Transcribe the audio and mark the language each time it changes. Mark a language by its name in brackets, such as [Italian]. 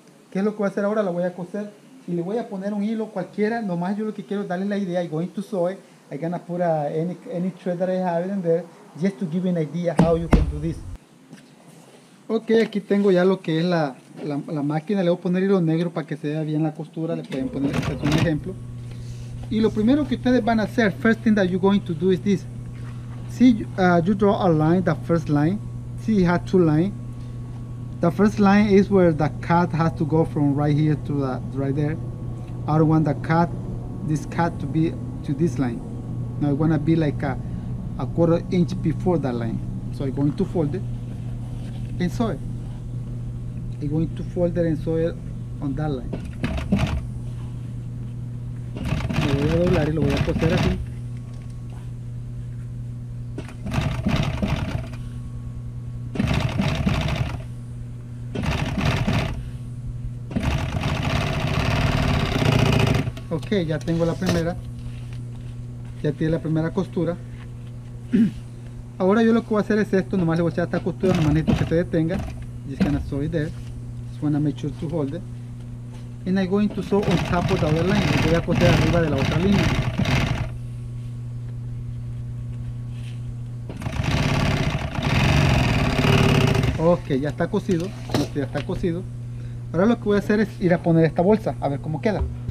[Spanish] ¿Qué es lo que voy a hacer ahora? La voy a coser y le voy a poner un hilo cualquiera. Nomás yo lo que quiero es darle la idea. I'm going to sew it. [English] I'm gonna put any thread that I have in there. Just to give you an idea how you can do this. [Spanish] Ok, aquí tengo ya lo que es la máquina. Le voy a poner hilo negro para que se vea bien la costura. Le pueden poner, este es un ejemplo. Y lo primero que ustedes van a hacer, first thing that you're going to do is this. [English] See, you draw a line, the first line. See, it has 2 lines. The first line is where the cat has to go from right here to the right there. I don't want the cat, this cat to be to this line. Now I want to be like a quarter inch before that line. So I'm going to fold it and sew it. I'm going to fold it and sew it on that line. [Spanish] Lo voy a doblar y lo voy a coser así. Ok, ya tengo la primera. Ya tiene la primera costura. Ahora yo lo que voy a hacer es esto, nomás le voy a echar esta costura, la manito que se detenga. [English] Just gonna sew it there. Just wanna make sure to hold it. And I'm going to sew on top of the other line. [Spanish] Lo voy a coser arriba de la otra línea. Ok, ya está cosido. Este ya está cosido. Ahora lo que voy a hacer es ir a poner esta bolsa, a ver cómo queda.